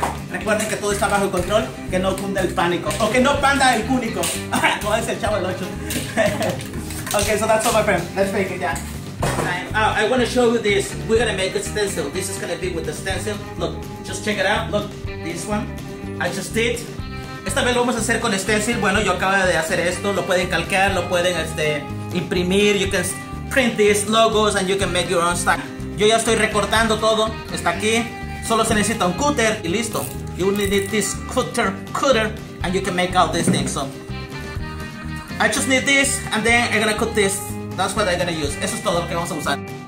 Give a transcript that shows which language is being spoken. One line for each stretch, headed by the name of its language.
Spanish: Recuerden que todo está bajo control, que no cunda el pánico. O que no panda el cúnico. Como dice el chavo el ocho.
English: Okay, so that's all, my friend, let's make it, ya. I want to show you this. We're gonna make a stencil. This is gonna be with the stencil. Look, just check it out. Look, this one. I just did.
Spanish: Esta vez lo vamos a hacer con stencil. Bueno, yo acabo de hacer esto. Lo pueden calcar, lo pueden imprimir.
English: You can print these logos and you can make your own stuff. Yo ya estoy recortando todo. Está aquí. Solo se necesita un cutter y listo. You only need this cutter and you can make all these things. So I just need this and then I'm gonna cut this. That's what I'm gonna use.
Spanish: Eso es todo lo que vamos a usar.